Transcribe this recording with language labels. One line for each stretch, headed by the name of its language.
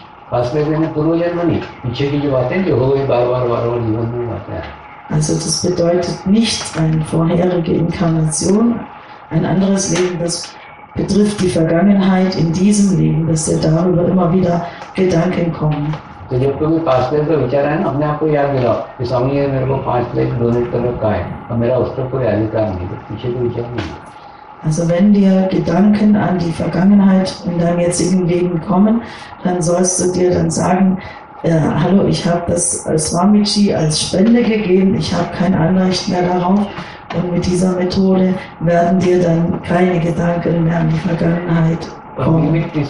German: Also das bedeutet nicht eine vorherige Inkarnation, ein anderes Leben, das betrifft die Vergangenheit in diesem Leben, dass dir darüber immer wieder Gedanken kommen.
Hindi: तो जब तुम्हें पास life का विचार है ना, हमने आपको याद दिलाओ कि स्वामी जी मेरे को पास लाइफ डोनेट कर रखा है और मेरा उस पर कोई अधिकार नहीं, तो पीछे कोई विचार नहीं।
German: Also wenn dir Gedanken an die Vergangenheit in deinem jetzigen Leben kommen, dann sollst du dir dann sagen, hallo, ich habe das als Swamiji als Spende gegeben, ich habe kein Anrecht mehr darauf, und mit dieser Methode werden dir dann keine Gedanken mehr an die Vergangenheit kommen.